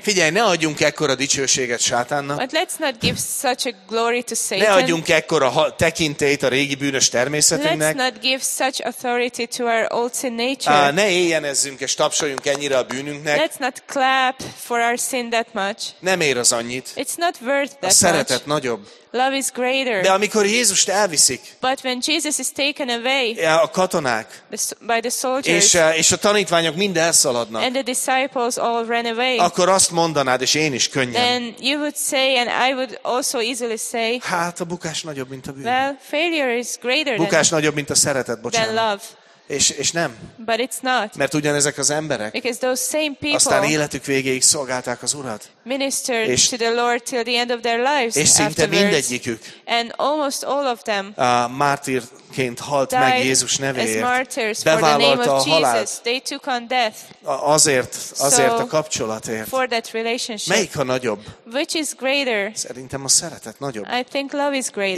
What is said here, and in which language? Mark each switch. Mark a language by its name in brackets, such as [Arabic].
[Hungarian] Figyelj, ne adjunk ekkora dicsőséget Sátánnak. [English] But let's not give such a glory to Satan. [Hungarian] Ne adjunk ekkora tekintélyt a régi bűnös természetünknek. [English] Let's not give such authority to our old sin nature. [Hungarian] Ne éljenezzünk és tapsoljunk ennyire a bűnünknek. [English] Let's not clap for our sin that much. [Hungarian] Nem ér az annyit. [English] It's not worth that much. [Hungarian] A szeretet nagyobb. [English] Love is greater. [Hungarian] De amikor Jézust elviszik. [English] But when Jesus is taken away. [Hungarian] A katonák. [English] By the soldiers. [Hungarian] És a tanítványok mind elszaladnak. [English] And the disciples all ran away. [Hungarian] Akkor azt mondanád, és én is könnyen. [English] Then you would say, and I would also easily say. [Hungarian] Hát a bukás nagyobb, mint a bűn. [English] Well, failure is greater. [Hungarian] Bukás nagyobb, mint a szeretet, bocsánat. [English] Than love. [Hungarian] És nem. [English] But it's not. [Hungarian] Mert ugyanezek az emberek. [English] Because those same people. [Hungarian] Aztán életük végéig szolgálták az Urat. [English] Ministered to the Lord till the end of their lives. [Hungarian] És szinte mindegyikük. [English] And almost all of them. [Hungarian] Mártírként halt meg Jézus nevéért. Bevállalta a halált. [English] They took on death. [Hungarian] Azért a kapcsolatért. [English] For that relationship. [Hungarian] Melyik a nagyobb? [English] Which is greater? [Hungarian] Szerintem a szeretet nagyobb. [English] I think love is greater.